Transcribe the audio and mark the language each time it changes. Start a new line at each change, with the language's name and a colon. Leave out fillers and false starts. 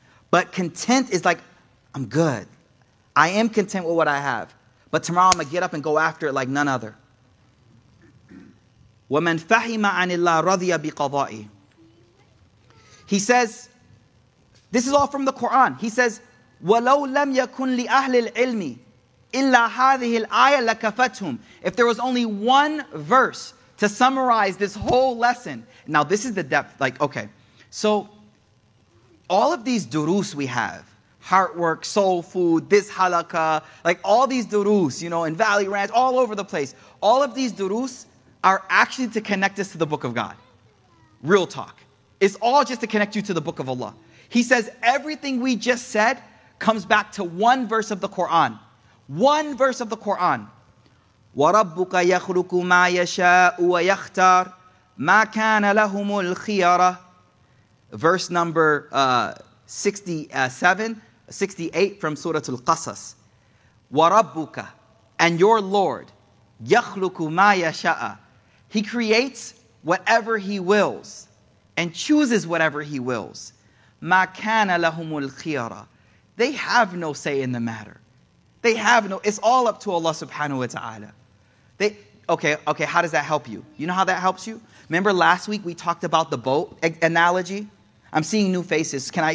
English: But content is like, I'm good. I am content with what I have. But tomorrow I'm going to get up and go after it like none other.
Arabic: وَمَنْ فَهِمَ عَنِ اللَّهِ رَضِيَ بِقَضَائِهِ.
English: He says, this is all from the Quran. He says,
Arabic: وَلَوْ لَمْ يَكُنْ لِأَهْلِ الْعِلْمِ إِلَّا هَذِهِ الْآيَةَ لَكَفَتْهُمْ.
English: If there was only one verse to summarize this whole lesson. Now this is the depth, like, okay. So all of these durus we have, heart work, soul food, this halakha, like all these durus, you know, in Valley Ranch, all over the place. All of these durus are actually to connect us to the book of God. Real talk. It's all just to connect you to the book of Allah. He says everything we just said comes back to one verse of the Quran. One verse of the Quran.
Arabic: وَرَبُّكَ يَخْلُقُ مَا يَشَاءُ وَيَخْتَارُ مَا كَانَ لَهُمُ الْخِيَارَةُ.
English: Verse number 68 from Surah Al-Qasas.
Arabic: وَرَبُّكَ,
English: and your Lord,
Arabic: يَخْلُقُ مَا يَشَاءَ.
English: He creates whatever He wills and chooses whatever He wills.
Arabic: مَا كَانَ لَهُمُ الْخِيَارَةُ.
English: They have no say in the matter. They have no, it's all up to Allah subhanahu wa ta'ala. Okay, how does that help you? You know how that helps you? Remember last week we talked about the boat analogy? I'm seeing new faces.